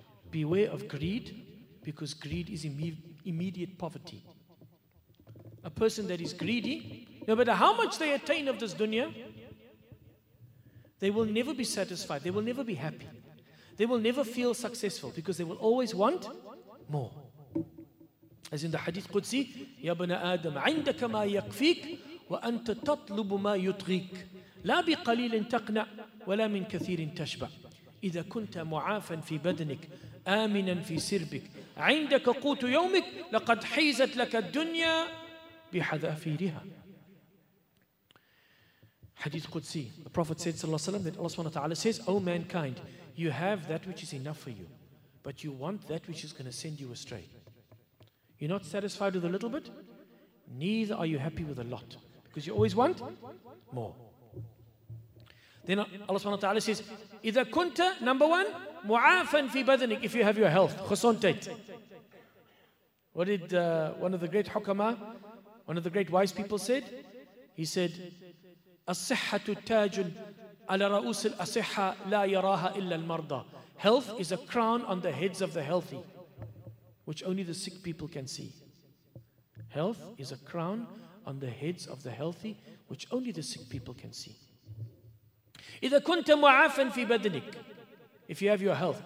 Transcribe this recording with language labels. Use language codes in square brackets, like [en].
[en] Beware of greed, because greed is immediate poverty. A person that is greedy, no matter how much they attain of this dunya, they will never be satisfied, they will never be happy, they will never feel successful, because they will always want more. As in the hadith Qudsi, [ar] يَا بَنَا آدَمْ عِنْدَكَ مَا يَكْفِيكَ وَأَنْتَ تَطْلُبُ مَا يُطْغِيكَ لَا بِقَلِيلٍ تَقْنَعْ وَلَا مِنْ كَثِيرٍ تَشْبَعْ إِذَا كُنْتَ مُعَافًا فِي بَدْنِكَ آمِنًا فِي سِرْبِكَ عِنْدَكَ قُوتُ يَوْمِكَ لَقَدْ حِيزَتْ لَكَ الدُّنْيَا بِحَذَافِيرِهَا. [en] Hadith Qudsi, the Prophet said sallallahu alayhi wa sallam, that Allah says, O mankind, you have that which is enough for you, but you want that which is going to send you astray. You're not satisfied with a little bit, neither are you happy with a lot, because you always want more. Then Allah subhanahu wa ta'ala says, [ar] إِذَا كُنْتَ, [en] number one, [ar] مُعَافًا فِي بَدْنِكَ, [en] if you have your health, [ar] خُسُنْتَيْتَ. [en] What did one of the great hukama, one of the great wise people said? He said, [ar] أَصِحَّةُ تَاجٌ عَلَى رَؤُسِ الْأَصِحَّةِ لَا يَرَاهَا إِلَّا الْمَرْضَى. [en] Health is a crown on the heads of the healthy, which only the sick people can see. Health is a crown on the heads of the healthy, which only the sick people can see. [ar] إِذَا كُنْتَ مُعَافًا فِي بَدْنِكَ, [en] if you have your health.